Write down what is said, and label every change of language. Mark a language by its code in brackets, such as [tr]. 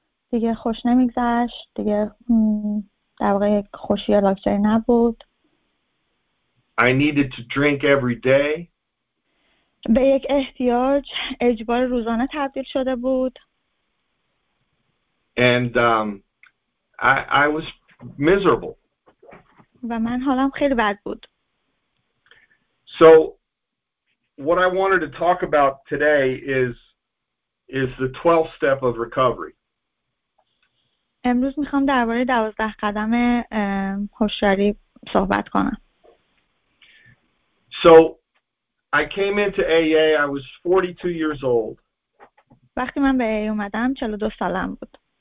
[fa] دیگه خوش نمیگذشت، دیگه در واقع خوشی یا لاکچری نبود. [en] I needed to drink every day. [fa] به یک احتیاج اجبار روزانه تبدیل شده بود. [en] And I was miserable. [fa] و من حالم خیلی بد بود. [en] So what I wanted to talk about today is the 12th step of recovery. [fa] امروز میخوام درباره 12 قدم هوشیاری صحبت کنم. [en] So I came into AA, I was 42 years old. [fa] وقتی من به AA اومدم 42 سالم بود.